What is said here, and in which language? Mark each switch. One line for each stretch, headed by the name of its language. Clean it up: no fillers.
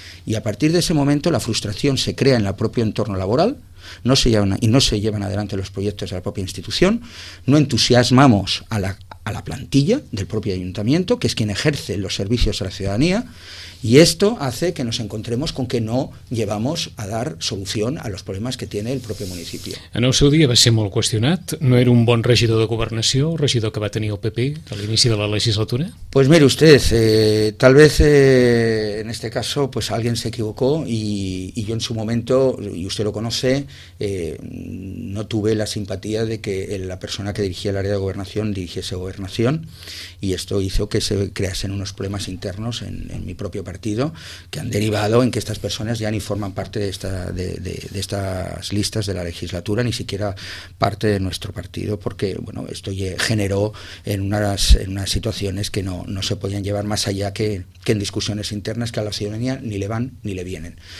Spanish: Y a partir de ese momento la frustración se crea en el propio entorno laboral, no se llevan adelante los proyectos de la propia institución, no entusiasmamos a la plantilla del propio ayuntamiento, que es quien ejerce los servicios a la ciudadanía, y esto hace que nos encontremos con que no llevamos a dar solución a los problemas que tiene el propio municipio.
Catalan: En el seu dia va ser molt qüestionat, no era un bon regidor de governació, el regidor que va tenir el PP a l'inici de la legislatura?
Spanish: Pues mire usted, tal vez en este caso pues alguien se equivocó y yo en su momento, y usted lo conoce, no tuve la simpatía de que la persona que dirigía el área de gobernación dirigiese gobernación, y esto hizo que se creasen unos problemas internos en mi propio partido, que han derivado en que estas personas ya ni forman parte de estas listas de la legislatura, ni siquiera parte de nuestro partido, porque bueno, esto generó en unas situaciones que no se podían llevar más allá que en discusiones internas que a la ciudadanía ni le van ni le vienen.